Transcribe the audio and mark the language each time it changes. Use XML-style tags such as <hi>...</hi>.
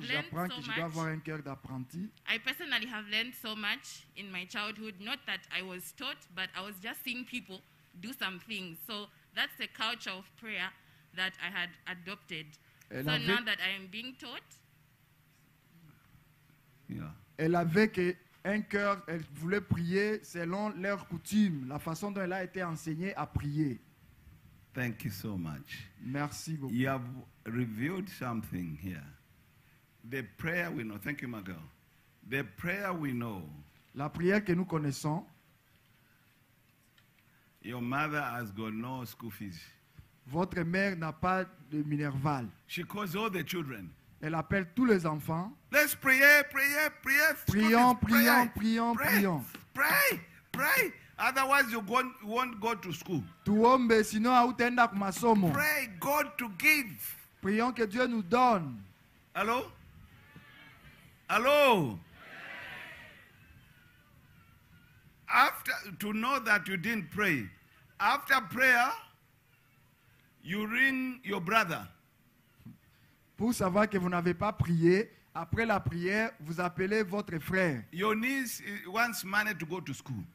<fr>J'apprends que je dois avoir un cœur d'apprenti.</fr> <en>I personally have learned so much in my childhood. Not that I was taught, but I was just seeing people do some things. So that's the culture of prayer that I had adopted. So now that I am being taught. Yeah.</en> <fr>Elle avait un cœur, elle voulait prier selon leur coutume, la façon dont elle a été enseignée à prier.</fr> <en>Thank you so much.</en> <fr>Merci beaucoup.</fr> <en>You have revealed something here. The prayer we know. Thank you, my girl. The prayer we know,</en> <fr>la prière que nous connaissons,</fr> <en>your mother has got no school fees.</en> <fr>Votre mère n'a pas de Minerval.</fr> <en>She calls all the children.</en> <fr>Elle appelle tous les enfants.</fr> <en>Let's pray.</en> <fr>Prions.</fr> <en>Pray. Otherwise, you won't go to school.</en> <sw>Tuombe, sinon hautaenda kwa masomo.</sw> <en>Pray God to give.</en> <fr>Prions que Dieu nous donne. Allô.</fr> <en>After to know that you didn't pray. After prayer, you ring your brother.</en> <fr>Pour savoir que vous n'avez pas prié, après la prière, vous appelez votre frère.</fr> <en>Your niece wants money to go to school.</en>